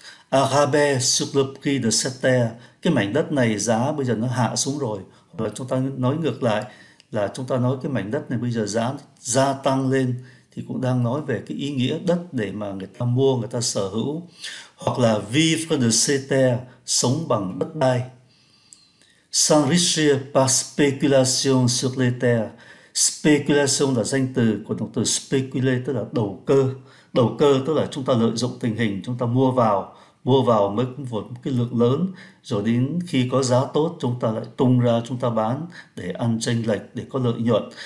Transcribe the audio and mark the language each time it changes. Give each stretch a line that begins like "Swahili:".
French: Arabais sur le prix de cette terre,
Vietnamese: cái mảnh đất này giá bây giờ nó hạ xuống rồi, hoặc là chúng ta nói ngược lại là chúng ta nói cái mảnh đất này bây giờ giá gia tăng lên, thì cũng đang nói về cái ý nghĩa đất để mà người ta mua, người ta sở hữu. Hoặc là
French: vivre de cette terre,
Vietnamese: sống bằng đất đai.
French: S'enrichir par spéculation sur les terres.
Vietnamese: Spéculation là danh từ của động từ spéculer, tức là đầu cơ. Đầu cơ tức là chúng ta lợi dụng tình hình, chúng ta mua vào mới một cái lượng lớn, rồi đến khi có giá tốt chúng ta lại tung ra chúng ta bán để ăn chênh lệch, để có lợi nhuận.